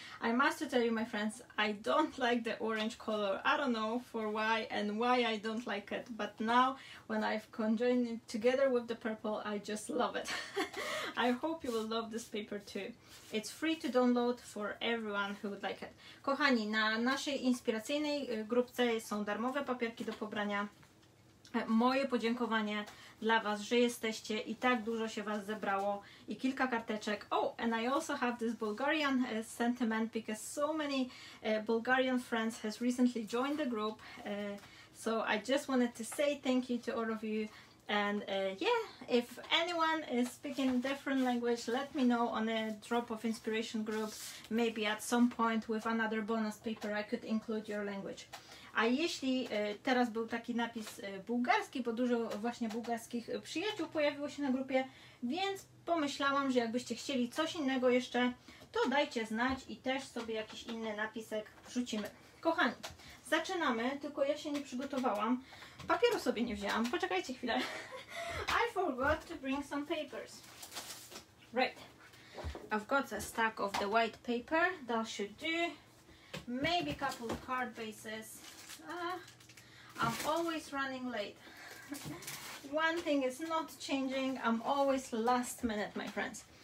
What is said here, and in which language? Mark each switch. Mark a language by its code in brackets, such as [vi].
[en] I must tell you, my friends, I don't like the orange color. I don't know for why and why I don't like it, but now when I've conjoined it together with the purple, I just love it. I hope you will love this paper too. It's free to download for everyone who would like it. [pl] Kochani, na naszej inspiracyjnej grupce są darmowe papierki do pobrania. Moje podziękowanie dla Was, że jesteście i tak dużo się Was zebrało i kilka karteczek. [en] Oh, and I also have this Bulgarian sentiment because so many Bulgarian friends has recently joined the group. So I just wanted to say thank you to all of you. And yeah, if anyone is speaking different language, let me know on a drop of inspiration group. Maybe at some point with another bonus paper I could include your language. [pl] A jeśli teraz był taki napis bułgarski, bo dużo właśnie bułgarskich przyjaciół pojawiło się na grupie, więc pomyślałam, że jakbyście chcieli coś innego jeszcze, to dajcie znać i też sobie jakiś inny napisek wrzucimy. Kochani, zaczynamy, tylko ja się nie przygotowałam. Papieru sobie nie wzięłam, poczekajcie chwilę. [en] I forgot to bring some papers. Right. I've got a stack of the white paper, that should do. Maybe a couple of card bases. I'm always running late. One thing is not changing, I'm always last minute, my friends.